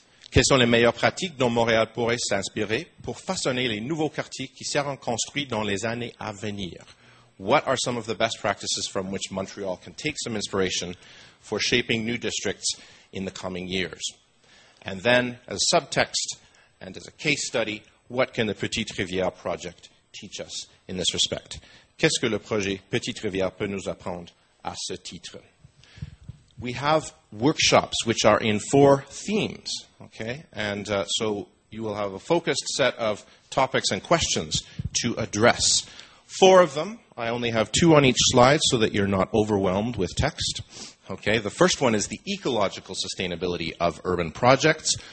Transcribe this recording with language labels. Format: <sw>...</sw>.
<fr>Quelles sont les meilleures pratiques dont Montréal pourrait s'inspirer pour façonner les nouveaux quartiers qui seront construits dans les années à venir?</fr> <en>What are some of the best practices from which Montreal can take some inspiration for shaping new districts in the coming years? And then, as subtext and as a case study, what can the Petite Rivière project teach us in this respect?</en> <fr>Qu'est-ce que le projet Petite Rivière peut nous apprendre à ce titre?</fr> <en>We have workshops which are in four themes, okay? And so you will have a focused set of topics and questions to address. Four of them. I only have two on each slide so that you're not overwhelmed with text. Okay, the first one is the ecological sustainability of urban projects.</en>